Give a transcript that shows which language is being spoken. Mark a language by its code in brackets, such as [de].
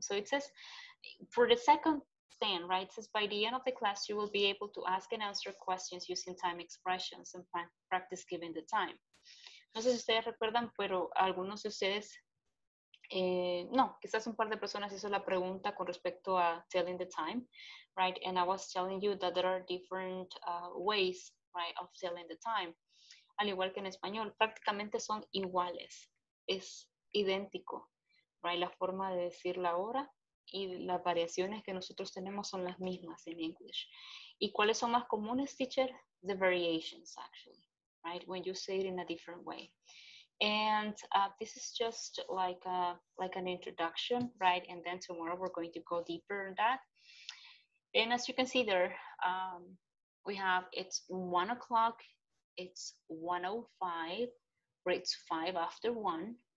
[en] So it says, for the second thing, right? It says, by the end of the class, you will be able to ask and answer questions using time expressions and practice giving the time. [es] No sé si ustedes recuerdan, pero algunos de ustedes, no, quizás un par de personas hizo la pregunta con respecto a [en] telling the time, [es] right? [en] And I was telling you that there are different ways, right, of telling the time. [es] Al igual que en español, prácticamente son iguales. Es idéntico, right? La forma de decir la hora y las variaciones que nosotros tenemos son las mismas en English. ¿Y cuáles son más comunes, teacher? [en] The variations, actually. Right, when you say it in a different way. And this is just like an introduction, right? And then tomorrow we're going to go deeper in that. And as you can see there, we have, it's 1 o'clock, it's 1:05, or it's 5 after 1.